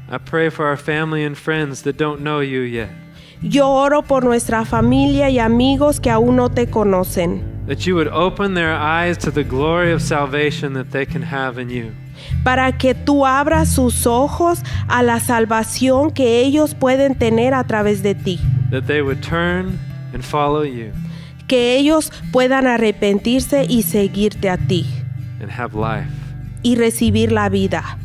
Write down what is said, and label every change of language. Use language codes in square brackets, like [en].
[en] I pray for our family and friends that don't know you yet. [es] Yo oro por nuestra familia y amigos que aún no te conocen. [en] That you would open their eyes to the glory of salvation that they can have in you. [es] Para que tú abras sus ojos a la salvación que ellos pueden tener a través de ti. [en] That they would turn and follow you. [es] Que ellos puedan arrepentirse y seguirte a ti. [en] And have life. [es] Y recibir la vida.